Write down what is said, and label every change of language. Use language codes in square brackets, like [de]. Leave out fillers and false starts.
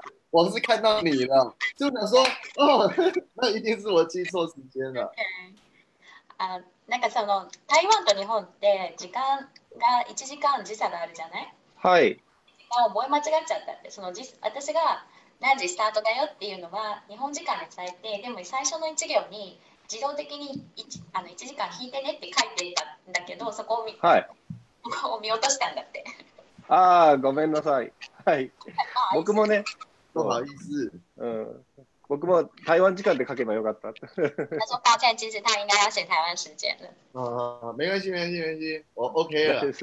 [zh] 我是看到你了，就想说，哦，那一定是我记错时间了。 [en] Okay. [ja] 那个その台湾と日本って時間が1時間時差があるじゃない？はい。覚え間違っちゃったって、その私が何時スタートだよっていうのは日本時間で伝えて、でも最初の1行に自動的に 1時間引いてねって書いていたんだけど、そこを見、はい、を見落としたんだって。ああ、ごめんなさい。はい。僕もね。 [zh] 不好意思， [ja] 嗯，僕も台湾時間で書けばよかった。 [zh] 他说抱歉，其实他应该要写台湾时间了。啊，没关系，没关系，没关系，我 OK 了。